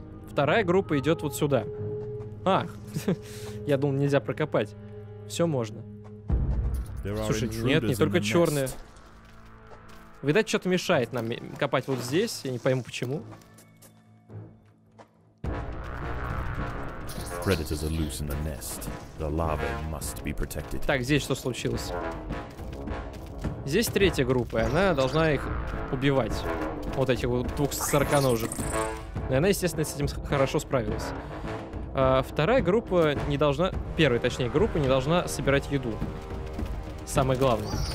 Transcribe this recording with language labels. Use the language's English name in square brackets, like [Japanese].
[Russian] Вторая группа идет вот сюда. А, я думал, нельзя прокопать. Все можно. Слушай, нет, не только черные. Видать, что-то мешает нам копать вот здесь. Я не пойму, почему. [English] Predators are loose in the nest. The larvae must be protected. [Russian] Так, здесь что случилось? Здесь третья группа, и она должна их убивать. Вот этих вот двух сороконожек. И она, естественно, с этим хорошо справилась. А вторая группа не должна... Первая, точнее, группа не должна собирать еду. Самое главное.